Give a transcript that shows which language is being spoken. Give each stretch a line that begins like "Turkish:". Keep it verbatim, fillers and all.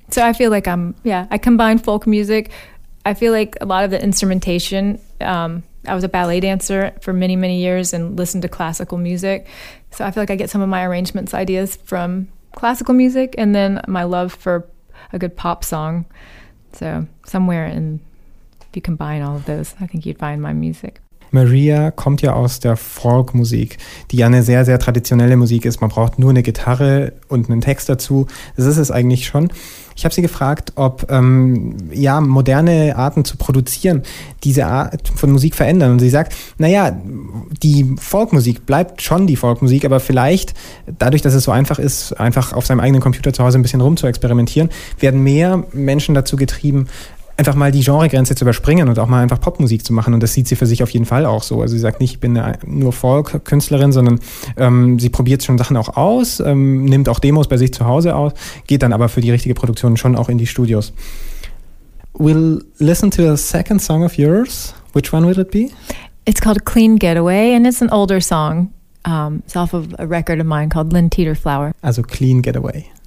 English: So I feel like I'm, yeah, I combine folk music. I feel like a lot of the instrumentation, um, I was a ballet dancer for many, many years and listened to classical music. So I feel like I get some of my arrangements ideas from classical music, and then my love for a good pop song. So somewhere in, if you combine all of those, I think you'd find my music.
German: Maria kommt ja aus der Folkmusik, die ja eine sehr, sehr traditionelle Musik ist. Man braucht nur eine Gitarre und einen Text dazu. Das ist es eigentlich schon. Ich habe sie gefragt, ob ähm, ja, moderne Arten zu produzieren diese Art von Musik verändern. Und sie sagt, naja, die Folkmusik bleibt schon die Folkmusik, aber vielleicht, dadurch, dass es so einfach ist, einfach auf seinem eigenen Computer zu Hause ein bisschen rum zu experimentieren, werden mehr Menschen dazu getrieben, einfach mal die Genregrenze zu überspringen und auch mal einfach Popmusik zu machen. Und das sieht sie für sich auf jeden Fall auch so. Also sie sagt nicht, ich bin nur Folk-Künstlerin, sondern ähm, sie probiert schon Sachen auch aus, ähm, nimmt auch Demos bei sich zu Hause aus, geht dann aber für die richtige Produktion schon auch in die Studios.
English: We'll listen to a second song of yours. Which one will it be? It's called Clean Getaway, and it's an older song. Um, it's off of a record of mine called Lynn Teeter Flower.
German: Also Clean Getaway.